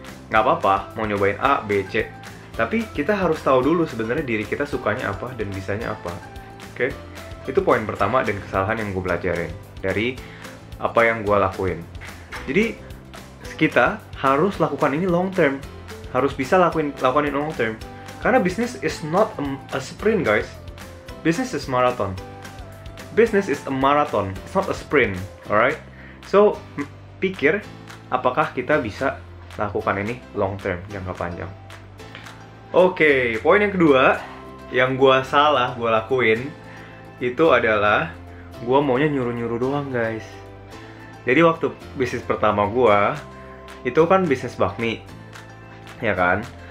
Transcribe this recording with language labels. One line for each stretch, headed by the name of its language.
Indonesian: Gak apa-apa mau nyobain A, B, C, tapi kita harus tahu dulu sebenarnya diri kita sukanya apa dan bisanya apa, oke? Itu poin pertama dan kesalahan yang gue pelajarin dari apa yang gue lakuin. Jadi kita harus lakukan ini long term, harus bisa lakukan ini long term.
English: Karena business is not a sprint, guys. Business is marathon. Business is a marathon, it's not a sprint, alright?
Indonesian: So pikir apakah kita bisa lakukan ini long term, jangka panjang. Oke, poin yang kedua yang gue lakuin itu adalah gue maunya nyuruh-nyuruh doang, guys. Jadi waktu bisnis pertama gue, itu kan bisnis bakmi, ya kan?